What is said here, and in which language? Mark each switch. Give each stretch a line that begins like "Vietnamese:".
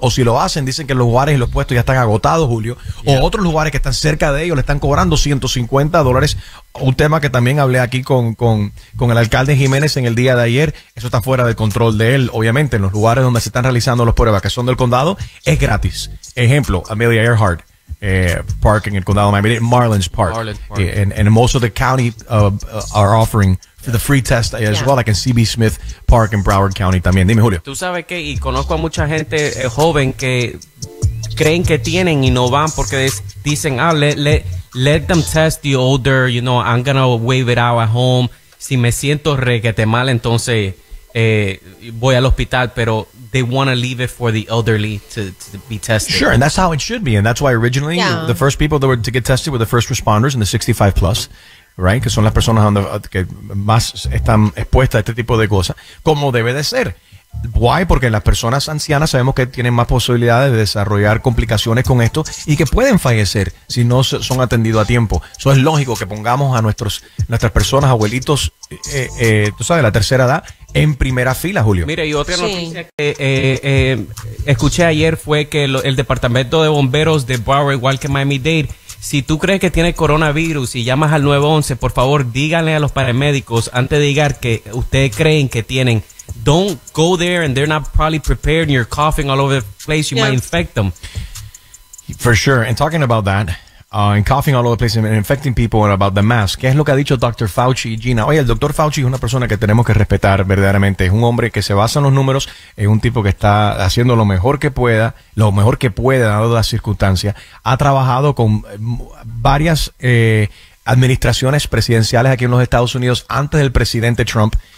Spanish: O si lo hacen, dicen que los lugares y los puestos ya están agotados, Julio. Yeah. O otros lugares que están cerca de ellos le están cobrando $150. Un tema que también hablé aquí con el alcalde Jiménez en el día de ayer. Eso está fuera del control de él. Obviamente, en los lugares donde se están realizando las pruebas, que son del condado, es gratis. Ejemplo, Amelia Earhart. Park en el condado de Miami, Marlins Park.
English: And most of the county are offering the free test as well, like in C.B.
Spanish: Smith Park in Broward County también. Dime, Julio. Tú sabes que, y conozco a mucha gente joven que creen que tienen y no van porque dicen,
English: let them test the older, you know, I'm gonna wave it out at home.
Spanish: Si me siento requete mal, entonces voy al hospital, pero
English: they want to leave it for the elderly to be tested. Sure, and that's how it should be. And that's why originally the first people that were to get tested were the first responders and the 65 plus, right?
Spanish: Que son las personas que más están expuestas a este tipo de cosas, como debe de ser. Why? Porque las personas ancianas sabemos que tienen más posibilidades de desarrollar complicaciones con esto y que pueden fallecer si no son atendidos a tiempo. Eso es lógico, que pongamos a nuestras personas, abuelitos, tú sabes, la tercera edad, en primera fila, Julio. Mire, y otra noticia que escuché ayer fue que el departamento de bomberos de Broward, igual que Miami-Dade, si tú crees que tiene coronavirus y llamas al 911, por favor, díganle a los paramédicos antes de llegar que ustedes creen que tienen.
English: Don't go there and they're not probably prepared and you're coughing all over the place. You might infect them. For sure. And talking about that, and coughing all over the place and infecting people and about the mask.
Spanish: ¿Qué es lo que ha dicho Dr. Fauci, Gina? Oye, el Dr. Fauci es una persona que tenemos que respetar verdaderamente. Es un hombre que se basa en los números. Es un tipo que está haciendo lo mejor que pueda, lo mejor que puede dado las circunstancias. Ha trabajado con varias administraciones presidenciales aquí en los Estados Unidos antes del presidente Trump.